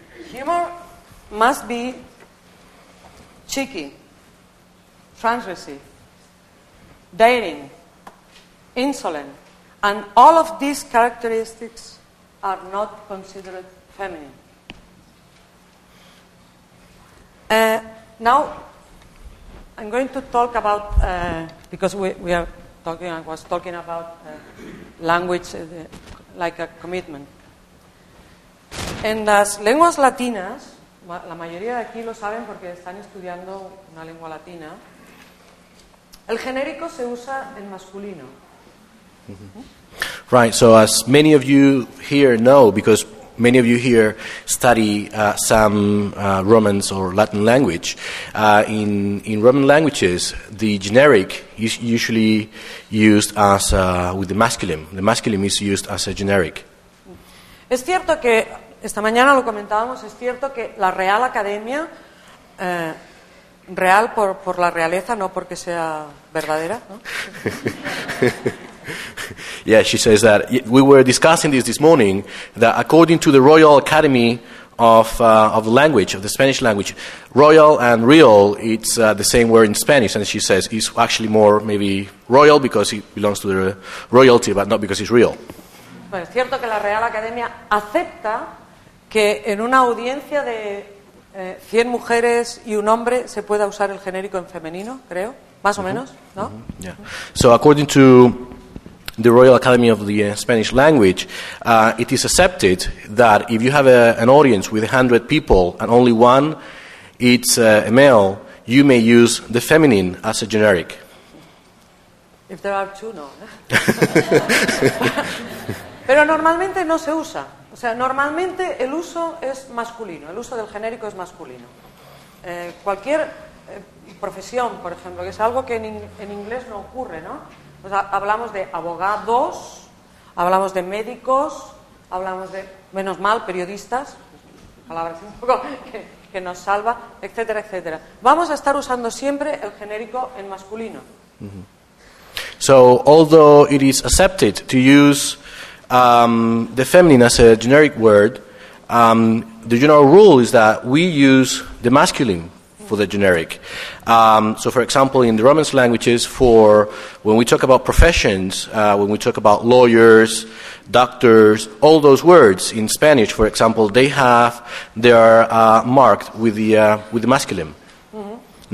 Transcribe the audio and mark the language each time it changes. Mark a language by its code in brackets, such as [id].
[en] Humor must be cheeky, transgressive, daring, insolent, and all of these characteristics are not considered feminine. Now, I'm going to talk about, because we are talking, I was talking about language like a commitment. [es] En las lenguas latinas, la mayoría de aquí lo saben porque están estudiando una lengua latina, el genérico se usa en masculino. Mm-hmm. [en] Right, so as many of you here know, because many of you here study some Romance or Latin language, in Roman languages, the generic is usually used as with the masculine. The masculine is used as a generic. [es] Es cierto que esta mañana lo comentábamos, es cierto que la Real Academia, real por la realeza, no porque sea verdadera, ¿no? [en] Yeah, she says that. We were discussing this morning, that according to the Royal Academy of the language, of the Spanish language, royal and real, it's the same word in Spanish, and she says it's actually more maybe royal because it belongs to the royalty, but not because it's real. [es] Bueno, es cierto que la Real Academia acepta que en una audiencia de 100 mujeres y un hombre se pueda usar el genérico en femenino, creo, más o menos, ¿no? [en] Mm-hmm. Yeah. So according to the Royal Academy of the Spanish Language, it is accepted that if you have an audience with 100 people and only one it's a male, you may use the feminine as a generic. If there are two, no. [es] Pero normalmente no se usa. O sea, normalmente el uso es masculino, el uso del genérico es masculino. Cualquier profesión, por ejemplo, que es algo que en inglés no ocurre, ¿no? O sea, hablamos de abogados, hablamos de médicos, hablamos de, menos mal, periodistas, palabras un poco que nos salva, etcétera, etcétera. Vamos a estar usando siempre el genérico en masculino. Mm-hmm. [en] So, although it is accepted to use the feminine as a generic word, the general rule is that we use the masculine for the generic. So for example, in the Romance languages, for when we talk about professions, when we talk about lawyers, doctors, all those words in Spanish, for example, they are marked with the masculine. Mm-hmm.